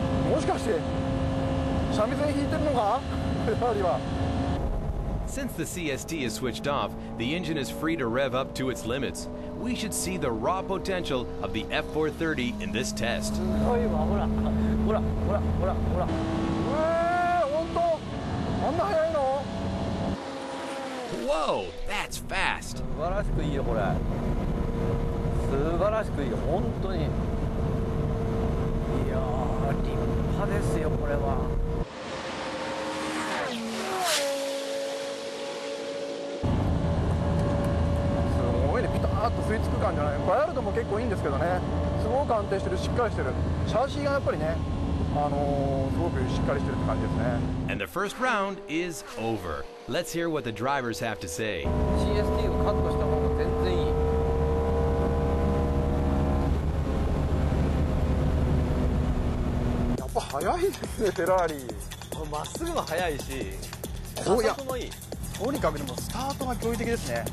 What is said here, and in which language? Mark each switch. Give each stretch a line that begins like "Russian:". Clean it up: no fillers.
Japanese: もしかして三味線引いてるのか、フェラーリは。
English: Since the CST is switched off, the engine is free to rev up to its limits. We should see the raw potential of the F430 in this test.
Japanese: すごいわ、ほら、ほら、ほら、ほら、ほら。ほんと、あんな速いの？
English: Whoa, that's fast.
Japanese: 素晴らしくいいよこれ。素晴らしくいいよ本当に。いやー立派ですよこれは。すごいねピターッと吸い付く感じじゃない。バイアルドも結構いいんですけどね。すごく安定してるしっかりしてる。シャーシーがやっぱりね。
English: And the first round is over. Let's hear what the drivers have to say.
Japanese: CST をカットした方が全然いい。やっぱ速いですね、フェラーリ。まっすぐも速いし、加速もいい。とにかくでもスタートが驚異的ですね。